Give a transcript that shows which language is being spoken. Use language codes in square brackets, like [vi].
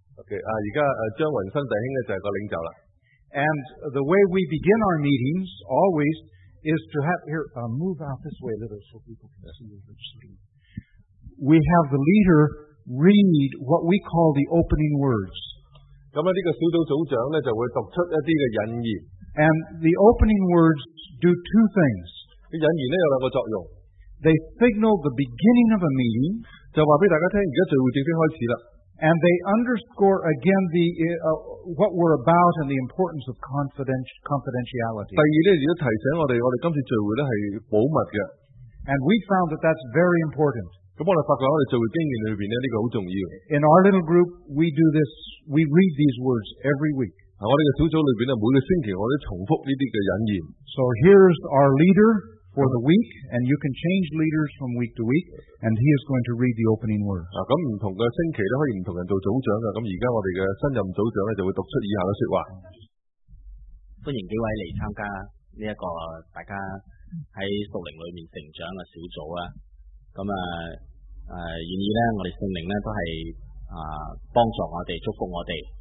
[yue] Okay, 而家张云生弟兄咧就系个领袖啦。 [en] And the way we begin our meetings always is to have here move out this way a little so people can see you. We have the leader read what we call the opening words. [yue] 咁呢个小组组长咧就会读出一啲嘅引言。 [en] And the opening words do two things. [yue] 啲引言咧有两个作用。 [en] They signal the beginning of a meeting. [yue] 就话俾大家听，而家聚会正式开始啦。 [en] And they underscore again the what we're about and the importance of confidentiality. [yue] 第二咧，亦都提醒我哋，我哋今次聚会咧系保密嘅。 [en] And we found that that's very important. [yue] 咁我哋发觉我哋聚会经验里边咧，呢个好重要。 [en] In our little group, we do this. We read these words every week. [yue] 喺我哋嘅小组里边咧，每个星期我都重复呢啲嘅引言。 [en] So here's our leader for the week, and you can change leaders from week to week, and he is going to read the opening words. [yue] 咁唔同嘅星期都可以唔同人做组长噶。咁而家我哋嘅新任组长咧就会读出以下嘅说话。欢迎几位嚟参加呢一个大家喺属灵里面成长嘅小组啊。咁啊，愿意咧，我哋圣灵咧都系帮助我哋，祝福我哋。